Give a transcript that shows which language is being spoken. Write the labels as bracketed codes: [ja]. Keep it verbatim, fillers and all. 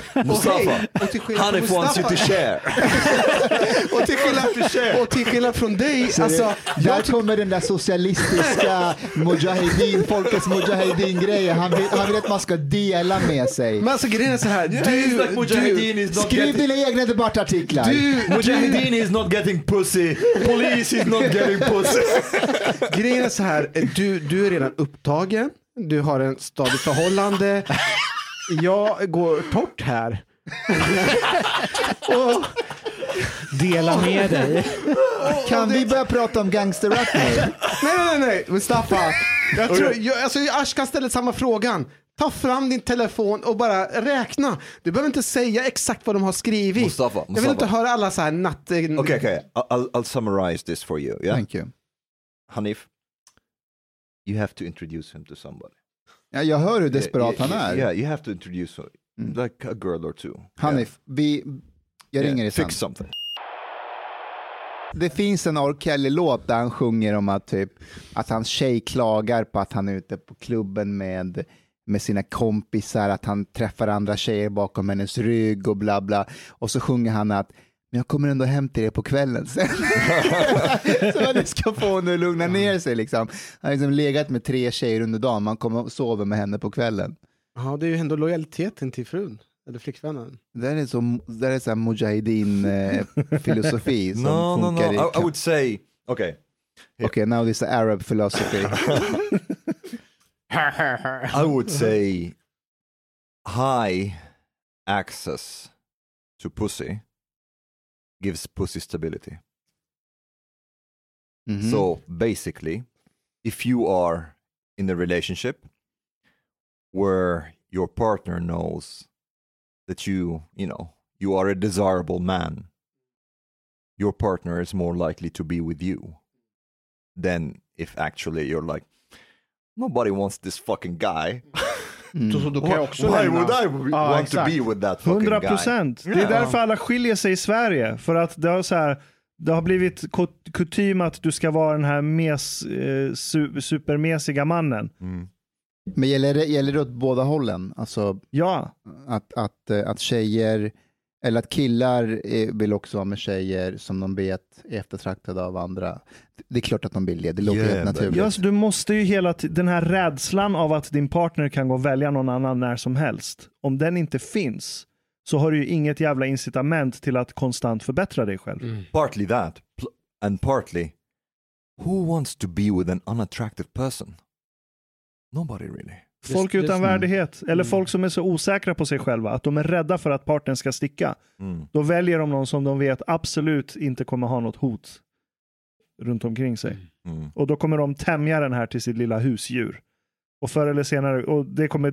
[sv] Mustafa. Han är från City Share. Och till skillnad, och till skillnad från dig. Alltså, där kommer den där socialistiska mujahedin, folkets mujahedin-grejen. Han, han vill att man ska dela med sig. Men alltså grejen är så här. Yeah, du, du, skriv getting... dina egna debattartiklar. [en] Mujahedin is not getting pussy. Police is not getting pussy. [sv] Grejen är så här. Du, du är redan upptagen. Du har en stadigt förhållande. Jag går torrt här. Och... dela med dig. Kan vi börja prata om gangsterrap nu? Nej, nej, nej. Mustafa. Jag tror, jag, alltså, Ashkan ställer samma frågan. Ta fram din telefon och bara räkna. Du behöver inte säga exakt vad de har skrivit. Mustafa, Mustafa. Jag vill inte höra alla så här natt... Okej, okay, okay. [en] I'll, I'll summarize this for you. Yeah? Thank you. Hanif, you have to introduce him to somebody. [sv] Ja, jag hör hur desperat yeah, han är. [en] Yeah, you have to introduce her, like a girl or two. Hanif, yeah. [sv] vi, jag ringer yeah, i sen. [en] Fix something. [sv] Det finns en R. Kelly-låt där han sjunger om att, typ, att hans tjej klagar på att han är ute på klubben med... med sina kompisar, att han träffar andra tjejer bakom hennes rygg och bla bla. Och så sjunger han att men jag kommer ändå hem till dig på kvällen sen. Så man ska få honom att lugna ner sig liksom. Han har liksom legat med tre tjejer under dagen, man kommer och sover med henne på kvällen. Ja, det är ju ändå lojaliteten till frun eller flickvännen. Det är så, det är så här Mujahedin filosofi som [en] no, [sv] funkar. [en] No, no, I, I would say okay. Yeah. Okay, now this is Arab philosophy. I would say high access to pussy gives pussy stability. Mm-hmm. So basically, if you are in a relationship where your partner knows that you, you know, you are a desirable man, your partner is more likely to be with you than if actually you're like, nobody wants this fucking guy. [sv] Mm. Så, så då kan jag också [en] why [sv] lämna. [en] Would I ah, want exakt. To be with that fucking [sv] hundra procent. [en] Guy? [sv] Det är därför alla skiljer sig i Sverige. För att det har, så här, det har blivit kutym att du ska vara den här mes, eh, su- supermesiga mannen. Mm. Men gäller det, gäller det åt båda hållen? Alltså, ja. Att, att, att tjejer, eller att killar vill också vara med tjejer som de vet är eftertraktade av andra. Det är klart att de vill det. Det låter yeah, helt naturligt. Ja, så du måste ju hela t- den här rädslan av att din partner kan gå och välja någon annan när som helst. Om den inte finns så har du ju inget jävla incitament till att konstant förbättra dig själv. Mm. [en] Partly that. And partly, who wants to be with an unattractive person? Nobody really. [sv] Folk utan värdighet, eller mm. folk som är så osäkra på sig själva, att de är rädda för att partnern ska sticka. Mm. Då väljer de någon som de vet absolut inte kommer ha något hot runt omkring sig. Mm. Och då kommer de tämja den här till sitt lilla husdjur. Och förr eller senare, och det kommer